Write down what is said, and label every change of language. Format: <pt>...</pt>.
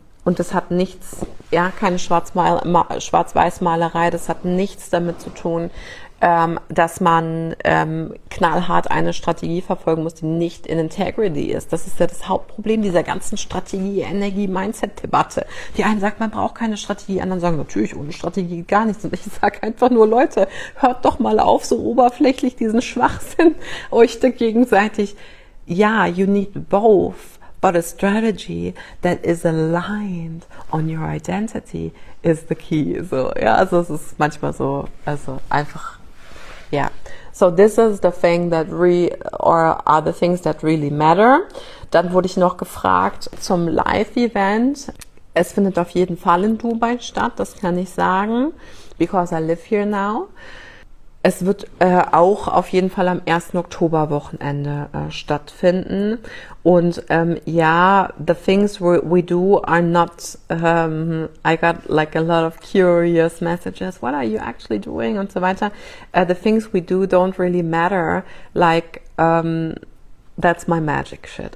<de>Und das hat nichts, ja, keine Schwarz-Weiß-Malerei, das hat nichts damit zu tun, dass man knallhart eine Strategie verfolgen muss, die nicht in Integrity ist. Das ist ja das Hauptproblem dieser ganzen Strategie-Energie-Mindset-Debatte. Die einen sagen, man braucht keine Strategie, anderen sagen, natürlich, ohne Strategie gar nichts. Und ich sage einfach nur, Leute, hört doch mal auf, so oberflächlich diesen Schwachsinn euch da gegenseitig.</de> <en>Ja, you need both, but a strategy that is aligned on your identity is the key.</en> <de>So, ja, also es ist manchmal so, also einfach, ja.</de> <en>So, this is the thing that are the things that really matter.</en> <de>Dann wurde ich noch gefragt zum Live-Event. Es findet auf jeden Fall in Dubai statt, das kann ich sagen,</de> <en>because I live here now.</en> <de>Es wird auch auf jeden Fall am 1. Oktober Wochenende stattfinden.</de> <en>Und ja, the things we do are not, I got like a lot of curious messages. What are you actually doing?</en> <de>Und so weiter.</de> <en>The things we do don't really matter. Like, that's my magic shit.</en>